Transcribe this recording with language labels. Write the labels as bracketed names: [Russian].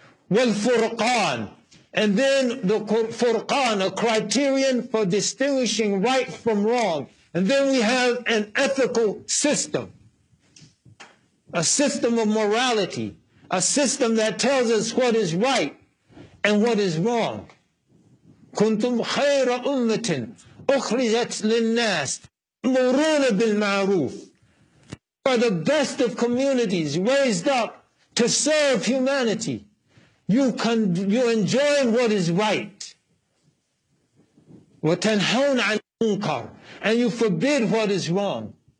[English] والفرقان. And then the furqan, a criterion for distinguishing right from wrong. And then we have an ethical system, a system of morality, a system that tells us what is right and what is wrong. [Arabic] كنتم خير أمة أخرجت للناس مرونة بالمعروف. [English] You are the best of communities raised up to serve humanity. You enjoy what is right. [Arabic] وتنهون عن المنكر. [English] And you forbid what is wrong.